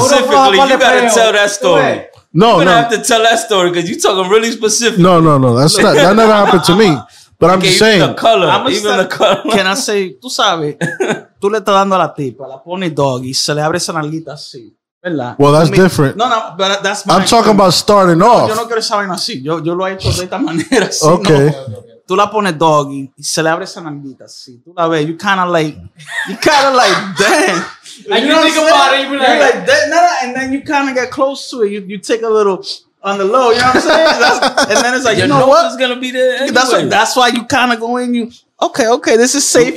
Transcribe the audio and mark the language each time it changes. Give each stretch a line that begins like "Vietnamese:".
English: Specifically, you gotta tell that story. You're gonna have to tell that story because you're talking really specific. No. That's not, that never happened to me. But okay, I'm just saying. Even the color.
Spanish: Can I say, tú sabes, tú le estás dando a la tipa, la pone dog, y se le abre esa nalguita así. ¿Verdad?
English: Well, that's different. No, but that's my. I'm talking about starting off.
Spanish: Yo no quiero saber así. Yo lo he hecho de esta manera.
English: Okay.
Spanish: Tú la pones doggy y se le abre esa nalguita así. Tú la ves,
English: you kind of like, damn. And you think about it, you're like, and then you kind of get close to it. You take a little on the low, you know what I'm saying? And then it's like, you know what? It's going to be there anyway. That's why you kind of go in, okay, this is safe.